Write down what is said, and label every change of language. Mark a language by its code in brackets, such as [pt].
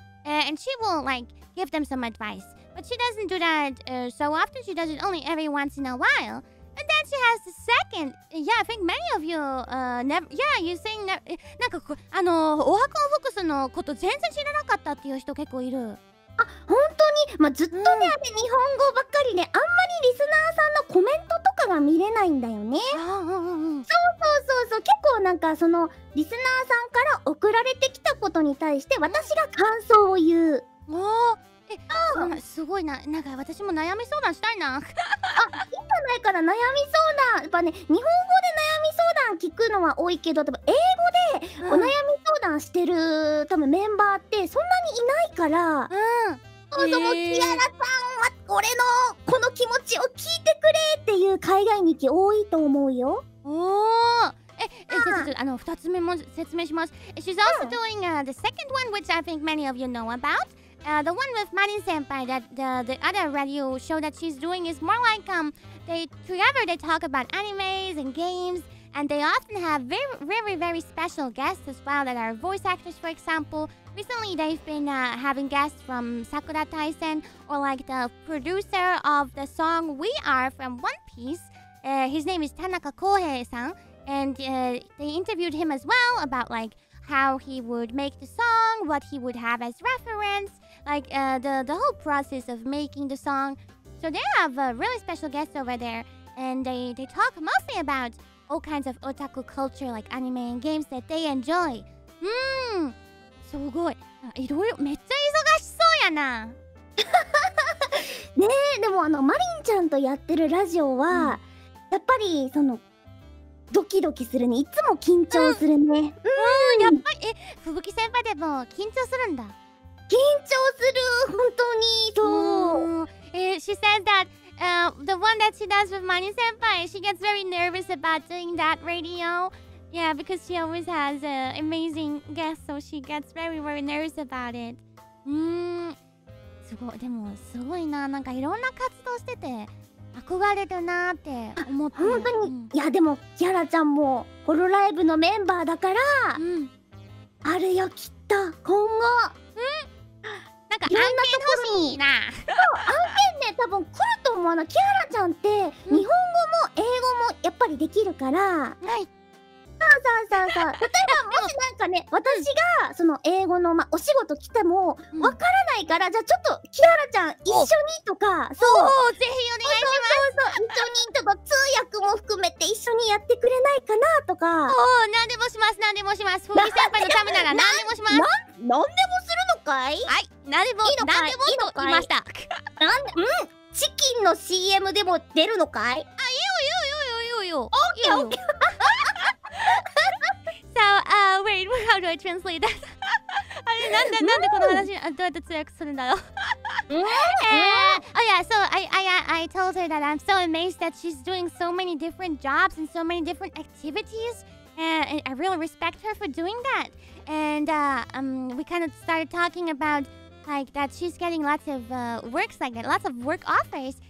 [en] And she will like give them some advice. But she doesn't do that so often. She does it only every once in a while. And then she has the second. Yeah, I think many of you you're saying that. [ja] なんかオハコンフォックスのこと全然知らなかったっていう人結構いる。あ、本当に。まあ、ずっとね、うん、あれ日本語ばっかりね、あんまりリスナーさんのコメントとかが見れないんだよね。そうそうそうそう。結構なんかそのリスナーさんから送られてきたことに対して私が感想を言う。おお。うん、すごい、なんか私も悩み相談したいな。あ、いいじゃないかな、悩み相談。やっぱね、日本語で悩み相談聞くのは多いけど、多分英語でお悩み相談してる、うん、多分メンバーってそんなにいないから。うん、そもそもキアラさんは俺のこの気持ちを聞いてくれっていう海外に行き多いと思うよ。おー、2つ目も説明します。 [en] She's also doing the second one, which I think many of you know aboutthe one with Marin Senpai, that the other radio show that she's doing is more like, together they talk about animes and games, and they often have very, very, very special guests as well that are voice actors, for example. Recently, they've been having guests from Sakura Taisen, or like the producer of the song We Are from One Piece. His name is Tanaka Kohei-san, and they interviewed him as well about like how he would make the song, what he would have as reference,Like the whole process of making the song. So they have a really special guest over there, and they talk mostly about all kinds of otaku culture, like anime and games that they enjoy. [ja] Mmm, すごい。いろいろ、めっちゃ忙しそうやな。ねえ、でもマリンちゃんとやってるラジオは、うん、やっぱりそのドキドキするね。いつも緊張するね。うん、うん、やっぱり、ふぶき先輩でも緊張するんだ。緊張する、本当に。そう。 [en] She said that the one that she does with Mani Senpai, she gets very nervous about doing that radio. Yeah, because she always has amazing guests, so she gets very, very nervous about it. [ja] すごい、でもすごいな。なんかいろんな活動してて憧れるなって思って。本当に、うん、いやでも、キャラちゃんもホロライブのメンバーだから、うん、あるよ、きっと、今後。なんか案件欲しいな。そう、案件ね、多分来ると思うな。キアラちゃんって日本語も英語もやっぱりできるから。はい、そうそうそうそう。例えばもしなんかね、私がその英語の、ま、お仕事来てもわからないから、うん、じゃあちょっとキアラちゃん一緒にとか。そう、ぜひお願いします。そうそうそう、一緒にとか通訳も含めて一緒にやってくれないかなとか。おー、何でもします、何でもします。ふみ先輩のためなら何でもします。何でもするのかい。はい、何でも、何でもと言いました。なんで、うん、チキンの CM でも出るのかい。あ、いいよいいよいいよいいよ。オーケーオーケー。 [en] So, wait, how do I translate that? [ja] なんでこの話どうやって通訳するんだろう。 [en] Oh yeah, so I told her that I'm so amazed that she's doing so many different jobs and so many different activitiesAnd I really respect her for doing that. And we kind of started talking about like that she's getting lots of works like that, lots of work offers.